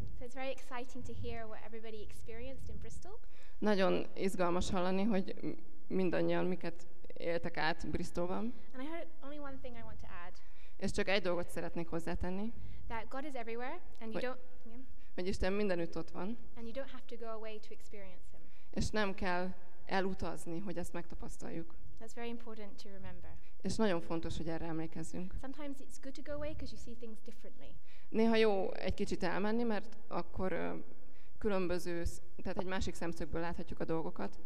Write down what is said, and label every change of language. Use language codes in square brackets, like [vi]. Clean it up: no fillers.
[en] So it's very exciting to hear what everybody experienced in Bristol. [hu] Nagyon izgalmas hallani, hogy mindannyian miket éltek át Bristolban. [en] And I heard only one thing I want to add. [hu] És csak egy dolgot szeretnék hozzátenni. [en] That God is everywhere, and you don't. [hu] Hogy Isten mindenütt ott van. [en] And you don't have to go away to experience Him. [hu] És nem kell elutazni, hogy ezt megtapasztaljuk. [en] That's very important to remember. [hu] És nagyon fontos, hogy erre emlékezzünk. [en] Sometimes it's good to go away because you see things differently. [hu] Néha jó egy kicsit elmenni, mert akkor különböző, tehát egy másik szemszögből láthatjuk a dolgokat.